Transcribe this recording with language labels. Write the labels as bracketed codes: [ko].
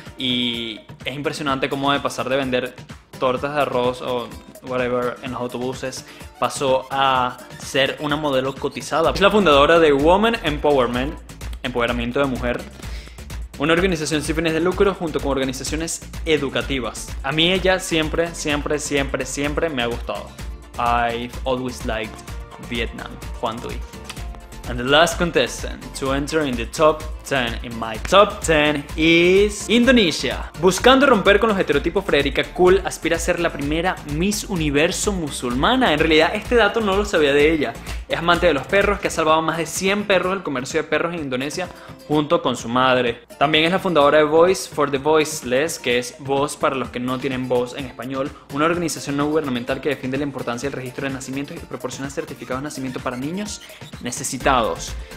[es] Y es impresionante cómo de pasar de vender tortas de arroz o whatever en los autobuses pasó a ser una modelo cotizada. Es la fundadora de Women Empowerment, empoderamiento de mujer, una organización sin fines de lucro junto con organizaciones educativas. A mí ella siempre, siempre, siempre, siempre me ha gustado. [en] I've always liked Vietnam, Hoan Thuy. And the last contestant to enter in the top 10, in my top 10, is Indonesia. [es] Buscando romper con los estereotipos, Frederica Kull aspira a ser la primera Miss Universo musulmana. En realidad, este dato no lo sabía de ella. Es amante de los perros, que ha salvado más de 100 perros del comercio de perros en Indonesia junto con su madre. También es la fundadora de Voice for the Voiceless, que es voz para los que no tienen voz en español, una organización no gubernamental que defiende la importancia del registro de nacimiento y que proporciona certificados de nacimiento para niños necesitados.